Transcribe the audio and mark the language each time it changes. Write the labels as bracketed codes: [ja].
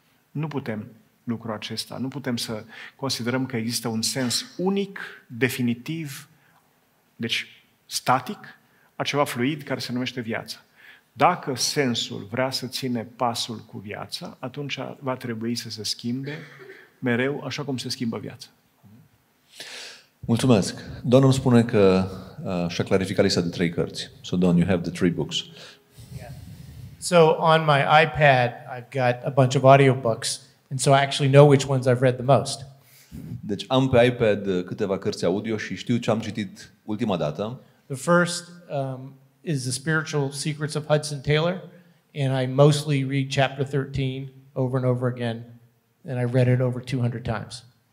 [ro] Nu putem lucrul acesta. Nu putem să considerăm că există un sens unic, definitiv, deci static, a ceva fluid care se numește viață. Dacă sensul vrea să ține pasul cu viața, atunci va trebui să se schimbe mereu, așa cum se schimbă viața. Mulțumesc. Domnul spune că și-a clarificat lista de trei cărți. [en] So Don, you have the three books. So on my iPad, I've got a bunch of audiobooks, and so I actually know which ones I've read the most. [ro] Deci am pe iPad câteva cărți audio și știu ce am citit ultima dată. [en] The first is The Spiritual Secrets of Hudson Taylor, and I mostly read chapter 13 over and over again, and I've read it over 200 times.